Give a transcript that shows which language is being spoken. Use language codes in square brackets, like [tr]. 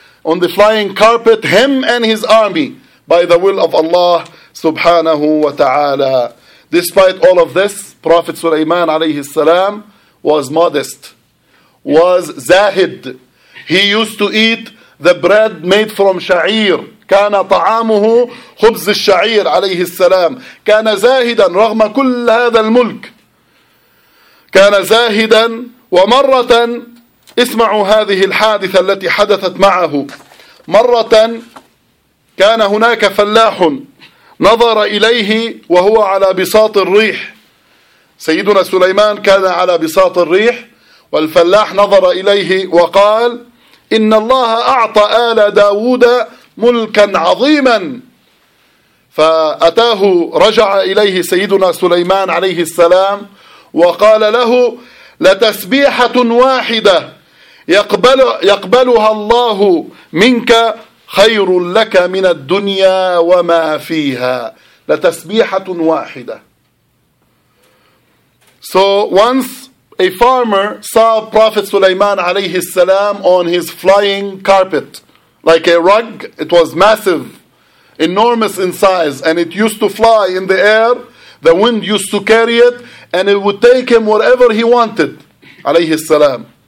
[en] on the flying carpet, him and his army, by the will of Allah [ar] subhanahu wa ta'ala. [en] Despite all of this, Prophet Sulaiman [ar] alayhi salam [en] was modest, was zahid. He used to eat the bread made from sha'ir. [ar] كان طعامه خبز الشعير عليه السلام. كان زاهدا رغم كل هذا الملك. كان زاهدا. ومرة اسمعوا هذه الحادثة التي حدثت معه. مرة كان هناك فلاح نظر إليه وهو على بساط الريح. سيدنا سليمان كان على بساط الريح والفلاح نظر إليه وقال: إن الله أعطى آل داود ملكا عظيما. فأتاه رجع إليه سيدنا سليمان عليه السلام وقال له: لتسبيحة واحدة يقبلها الله منك خير لك من الدنيا وما فيها. لتسبيحة واحدة. [en] So once a farmer saw Prophet Sulaiman [ar] عليه السلام [en] on his flying carpet, like a rug. It was massive, enormous in size, and it used to fly in the air. The wind used to carry it, and it would take him wherever he wanted, [ar] alayhi salam.